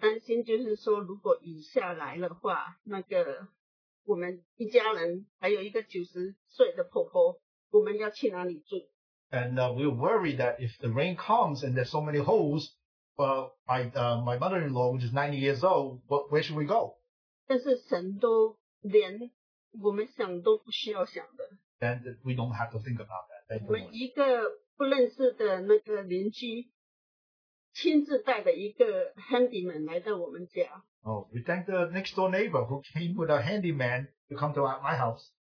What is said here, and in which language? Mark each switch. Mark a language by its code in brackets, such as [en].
[zh] 我们其实会很担心,就是说如果雨下来的话, 那个我们一家人,还有一个90岁的婆婆, 我们要去哪里住? [en] And we are worried that if the rain comes and there's so many holes, my mother-in-law, which is 90 years old, where should we go? [zh] 但是神都连我们想都不需要想的, [en] then we don't have to think about that. [zh] 我们一个不认识的那个邻居, 亲自带着一个handyman来到我们家。 [en] Oh, we thank the next door neighbor who came with a handyman to come to my house.